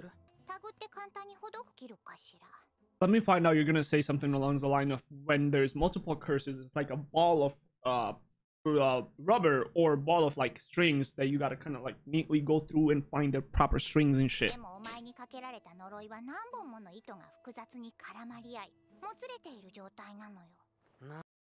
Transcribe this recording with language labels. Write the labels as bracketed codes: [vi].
[ja] ああ、ダメ。呪いがかさなりすぎて、特には複雑になりすぎてしまっているのよ。呪いが重なってる？タグって簡単にほどくきるかしら。 [en] Let me find out. You're gonna say something along the line of when there's multiple curses, it's like a ball of rubber or ball of like strings that you gotta kind of like neatly go through and find the proper strings and shit. [ja] でもお前にかけられた呪いは何本もの糸が複雑に絡まり合い、もつれている状態なのよ。